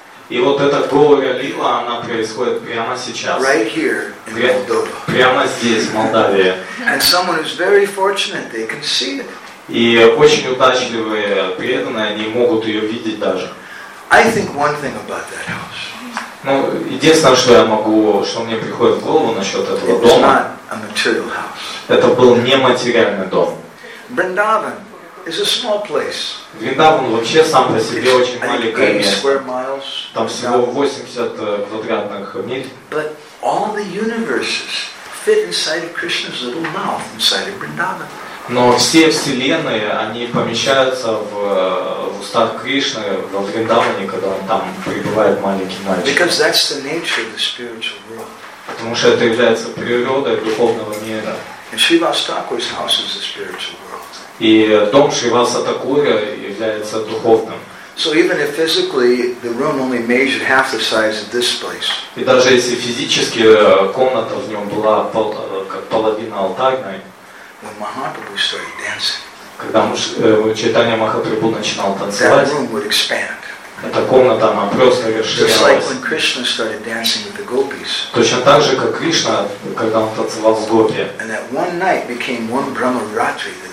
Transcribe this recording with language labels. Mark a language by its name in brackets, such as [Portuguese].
[Russian] И вот эта Гора Лила, она происходит прямо сейчас. [English] Right here in Moldova. [Russian] Прямо здесь, в Молдавии. [English] And someone is very fortunate, they can see it. [Russian] И очень удачливые преданные, они могут ее видеть даже. [English] I think one thing about that house. [Russian] Ну, единственное, что я могу, что мне приходит в голову насчет этого [English] it [Russian] дома, [English] was not a material house. [Russian] Это был нематериальный дом. [English] Vrindavan is a small place. [Russian] Vrindavan вообще сам по себе очень маленькое место. [English] Square miles. [Russian] Там всего 80 квадратных миль. [English] But all the universes fit inside of Krishna's little mouth inside of Vrindavan. [Russian] Но все вселенные, они помещаются в устах Кришны во Вриндаване, когда он там пребывает маленький мальчик. [English] Because that's the nature of the spiritual world. [Russian] Потому что это является природой духовного мира. [English] And Shrivas Thakur's house is the spiritual world. [Russian] И дом Шриваса Такура является духовным. [English] So even if physically the room only measured half the size of this place. [Russian] И даже если физически комната в нем была как половина алтарной. [English] When Mahaprabhu started dancing. [Russian] Когда Чайтанья Махапрабху начинал танцевать. [English] That room would expand. [Russian] Эта комната, она просто расширялась. [English] Just like when Krishna started dancing with the gopis. [Russian] Точно так же, как Кришна, когда он танцевал с гопи. [English] And that one night became one Brahma Ratri.